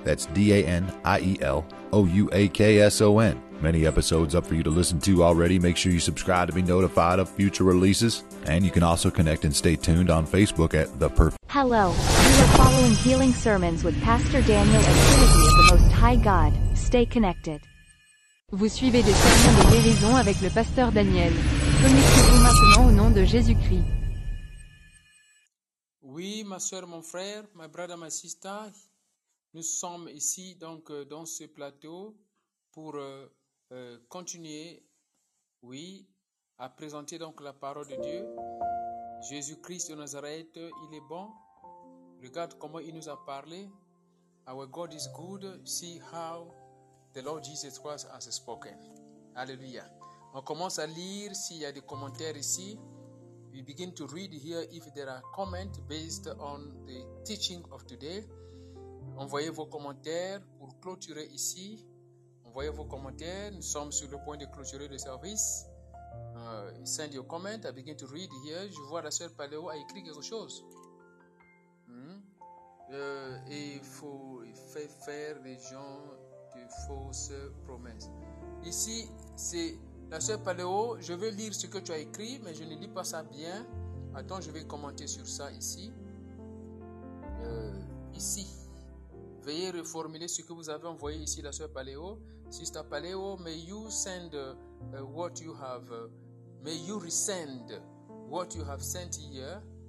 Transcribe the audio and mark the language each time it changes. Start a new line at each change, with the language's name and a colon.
English: That's DanielOuakson. Many episodes up for you to listen to already. Make sure you subscribe to be notified of future releases. And you can also connect and stay tuned on Facebook at The Perfect. Hello, you are following Healing Sermons with Pastor Daniel and Trinity of the Most High God. Stay connected.
French: Vous suivez des sermons de guérison avec le Pasteur Daniel. Connectez-vous maintenant au nom de Jésus-Christ. Oui, ma soeur, mon frère,
English: my brother, my sister,
French: nous sommes ici donc dans ce plateau pour continuer, oui, à présenter donc la parole de Dieu. Jésus-Christ de Nazareth, il est bon. Regarde comment il nous a parlé.
English: Our God is good. See how the Lord Jesus Christ has spoken. Alléluia.
French: On commence à lire s'il y a des commentaires ici.
English: We begin to read here if there are comments based on the teaching of today.
French: Envoyez vos commentaires pour clôturer ici. Envoyez vos commentaires. Nous sommes sur le point de clôturer le service.
English: Send your comment. I begin to read here.
French: Je vois la sœur Paléo a écrit quelque chose. Il faut faire les gens de fausses promesses. Ici, c'est la sœur Paléo. Je veux lire ce que tu as écrit, mais je ne lis pas ça bien. Attends, je vais commenter sur ça ici. Ici. Veuillez reformuler ce que vous avez envoyé ici, la sœur Paléo.
English: Sister Paléo, may you resend what you have sent here.